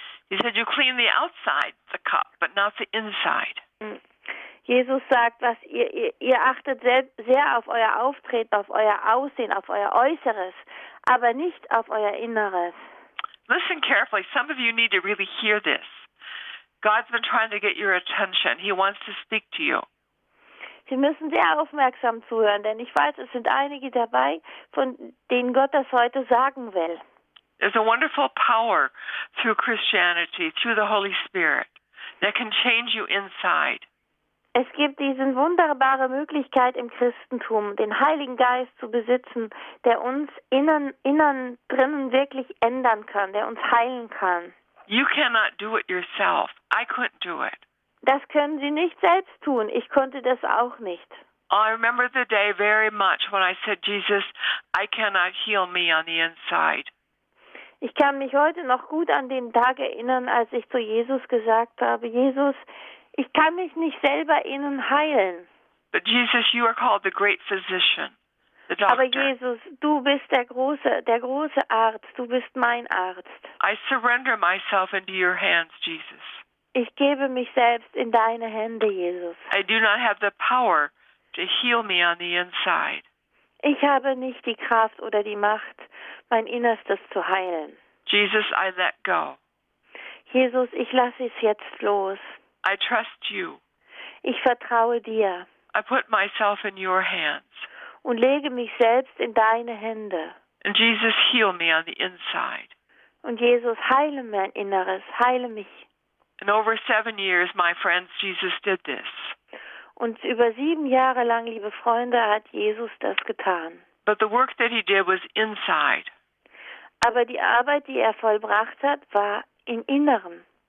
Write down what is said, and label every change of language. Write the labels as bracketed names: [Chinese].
[English] He said, you clean the outside, the cup, but not the inside. [German] Jesus sagt, was ihr achtet sehr auf euer Auftreten, auf euer Aussehen, auf euer Äußeres, aber nicht auf euer Inneres. [English] Listen carefully. Some of you need to really hear this. God's been trying to get your attention. He wants to speak to you. [German] Sie müssen sehr aufmerksam zuhören, denn ich weiß, es sind einige dabei, von denen Gott das heute sagen will. [English] There's a wonderful power through Christianity, through the Holy Spirit, that can change you inside. [German] Es gibt diese wunderbare Möglichkeit im Christentum, den Heiligen Geist zu besitzen, der uns innen drinnen wirklich ändern kann, der uns heilen kann. [English] You cannot do it yourself. I couldn't do it. [German] Das können Sie nicht selbst tun. Ich konnte das auch nicht. [English] I remember the day very much when I said, Jesus, I cannot heal me on the inside. [German] Ich kann mich heute noch gut an den Tag erinnern, als ich zu Jesus gesagt habe, Jesus, ich kann mich nicht selber innen heilen. [English] But Jesus, you are called the great physician, the doctor. [German] Aber Jesus, du bist der große Arzt, du bist mein Arzt. [English] I surrender myself into your hands, Jesus. [German] Ich gebe mich selbst in deine Hände, Jesus. [English] I do not have the power to heal me on the inside. [German] Ich habe nicht die Kraft oder die Macht, mein Innerstes zu heilen. [English] Jesus, I let go. [German] Jesus, ich lasse es jetzt los. [English] I trust you. [German] Ich vertraue dir. [English] I put myself in your hands. [German] Und lege mich selbst in deine Hände. [English] And Jesus, heal me on the inside. [German] Und Jesus, heile mein Inneres, heile mich. [English] And over 7 years, my friends, Jesus did this. [German] Und über 7 Jahre lang, liebe Freunde, hat Jesus das getan. [English] But the work that he did was inside. [German] Aber die Arbeit, die er vollbracht hat, war im Inneren.